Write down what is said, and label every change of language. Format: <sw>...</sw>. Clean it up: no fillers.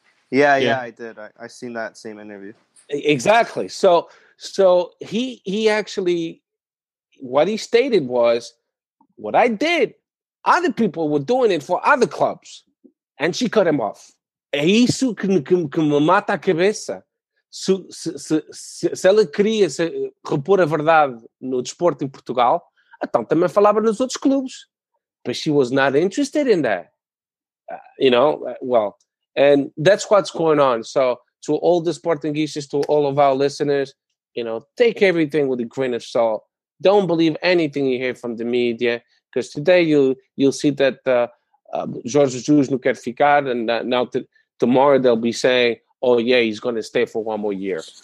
<en>Yeah, I did. I seen that same interview. Exactly. So he actually, what he stated was, what I did, other people were doing it for other clubs. And she cut him off.</en> <pt>É isso que mata a cabeça. Se ela queria repor a verdade no desporto em Portugal, então também falava nos outros clubes.</pt> <en>But she was not interested in that. You know, well, and that's what's going on. So to all the Sportingistas, to all of our listeners, you know, take everything with a grain of salt. don't believe anything you hear from the media, because today you'll see that Jorge Jesus</en> <pt>não quer ficar,</pt> <en>and now tomorrow they'll be saying, oh yeah, he's going to stay for one more year.</en>